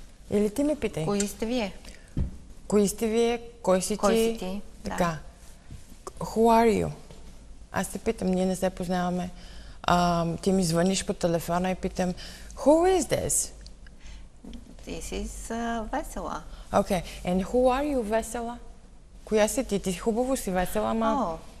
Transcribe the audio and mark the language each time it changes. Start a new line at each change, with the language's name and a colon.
Bulgarian: Или ти ме питай? Кои сте вие? Кои сте вие? Кой си кой ти? Си ти? Така. Да.
English: Who are you?
Bulgarian: Аз те питам, ние не се познаваме. Ти ми звъниш по телефона и питам
English: Who is this? This is Весела. Okay. And who are you, Весела?
Bulgarian: Коя си ти? Ти хубаво си Весела, ма...